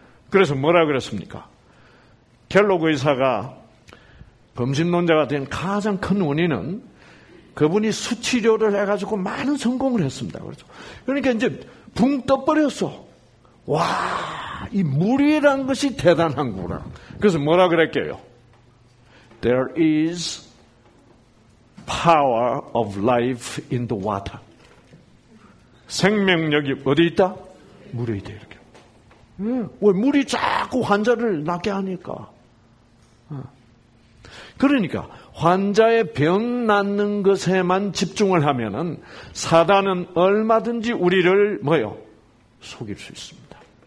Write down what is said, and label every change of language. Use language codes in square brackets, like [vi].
[ko] 그래서 뭐라 그랬습니까? 켈로그 의사가 범신론자가 된 가장 큰 원인은 그분이 수치료를 해가지고 많은 성공을 했습니다. 그렇죠? 그러니까 이제 붕 떠버렸어. 와, 이 물이란 것이 대단한구나. 그래서 뭐라 그랬게요? [en] There is power of life in the water. [ko] 생명력이 어디 있다? 물에 있다. 이렇게. 왜 물이 자꾸 환자를 낫게 하니까. 그러니까 환자의 병 낫는 것에만 집중을 하면은 사단은 얼마든지 우리를 뭐요? 속일 수 있습니다.